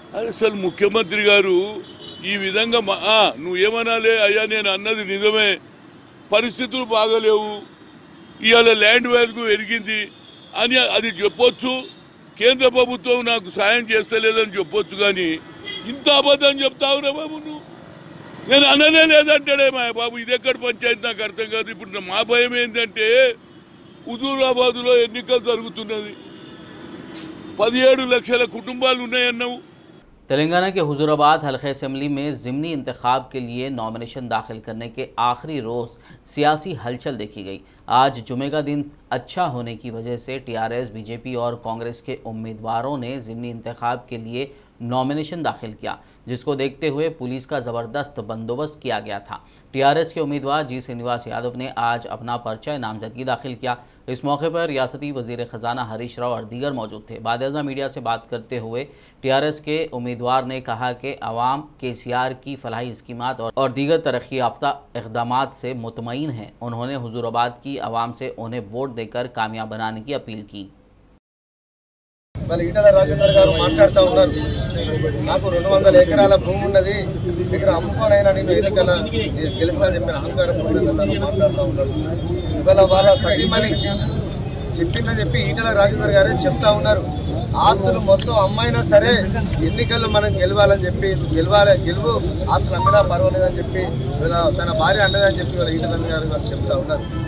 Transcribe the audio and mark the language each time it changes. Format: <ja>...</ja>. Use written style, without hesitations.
<te>అసలు ముఖ్యమంత్రి గారు ఈ విధంగా నువ్వు ఏమనాలే అయ్యా, నేను అన్నది నిజమే, పరిస్థితులు బాగలేవు, ఇవాళ ల్యాండ్ వాల్యూ పెరిగింది అని అది చెప్పొచ్చు, కేంద్ర ప్రభుత్వం నాకు సహాయం చేస్తలేదని చెప్పొచ్చు, కానీ ఇంత అబద్ధం చెప్తావు రే బాబు నువ్వు. నేను అనలే లేదంటాడే మా బాబు, ఇది ఎక్కడ పంచాయతీ నాకు అర్థం కాదు. ఇప్పుడు మా భయం ఏంటంటే హుజూరాబాద్లో ఎన్నికలు జరుగుతున్నది, 17 లక్షల కుటుంబాలు ఉన్నాయన్నావు.</te> <hi>तेलंगाना के हुजूराबाद हलके असेंबली में ज़िमनी इंतखाब के लिए नॉमिनेशन दाखिल करने के आखिरी रोज़ सियासी हलचल देखी गई। आज जुमे का दिन अच्छा होने की वजह से टीआरएस, बीजेपी और कांग्रेस के उम्मीदवारों ने ज़िमनी इंतखाब के लिए नॉमिनेशन दाखिल किया, जिसको देखते हुए पुलिस का ज़बरदस्त बंदोबस्त किया गया था। टीआरएस के उम्मीदवार जी श्रीनिवास यादव ने आज अपना पर्चा नामजदगी दाखिल किया। इस मौके पर रियासती वजीर ख़जाना हरीश राव और दीगर मौजूद थे। बाद अज़ां मीडिया से बात करते हुए टीआरएस के उम्मीदवार ने कहा कि अवाम केसीआर की फलाही स्कीमात और दीगर तरक्की याफ्ता इकदामात से मुतमईन हैं। उन्होंने हुजूराबाद की अवाम से उन्हें वोट देकर कामयाब बनाने की अपील की।</hi> <te>మరి ఈటల రాజేందర్ గారు మాట్లాడుతూ ఉన్నారు, నాకు 200 ఎకరాల భూమి ఉన్నది, ఇక్కడ అమ్ముకోనైనా నేను ఎన్నికల గెలుస్తా చెప్పిన అహంకారం ఉన్నదని మాట్లాడుతూ ఉన్నారు. ఇవాళ వాళ్ళ సగీమని చెప్పిందని చెప్పి ఈటల రాజేందర్ గారే చెప్తా ఉన్నారు, ఆస్తులు మొత్తం అమ్మైనా సరే ఎన్నికల్లో మనం గెలవాలని చెప్పి, గెలవాలి, గెలువు ఆస్తులు అమ్మినా పర్వాలేదని చెప్పి ఇలా తన భార్య అండదని చెప్పి ఇవాళ ఈటల గారు చెప్తా ఉన్నారు.</te>